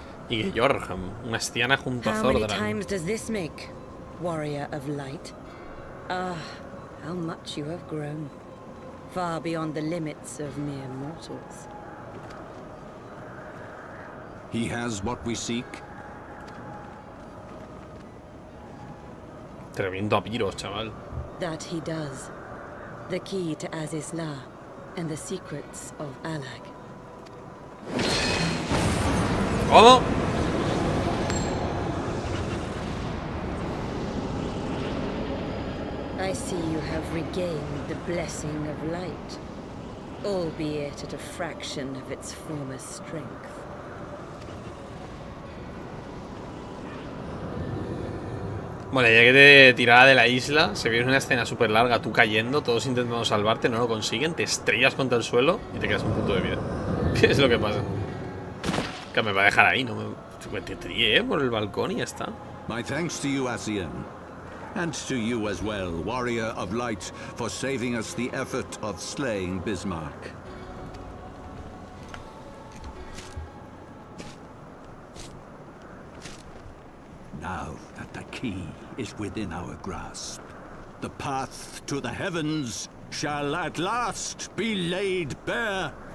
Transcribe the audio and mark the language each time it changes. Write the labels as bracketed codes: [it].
[es] Y Jorgm, una anciana junto a Zordran. [en] How many times does this make, warrior of light? Ah, how much you have grown, far beyond the limits of mere mortals. He has what we seek. [es] Tremendo apiros, chaval. [en] That he does. The key to Azizla and the secrets of Alag. [es] ¿Cómo? [en] I see you have regained the blessing of light, albeit at a fraction of its former strength. [es] Bueno, ya que te tiraba de la isla, se viene una escena súper larga, tú cayendo, todos intentando salvarte, no lo consiguen, te estrellas contra el suelo y te quedas un punto de vida. ¿Qué es lo que pasa? Que me va a dejar ahí, no me... Te tiré, por el balcón y ya está. [en] My thanks to you, Asien. And to you as well, warrior of light, for saving us the effort of slaying Bismarck. Now that the key is within our grasp, the path to the heavens shall at last be laid bare.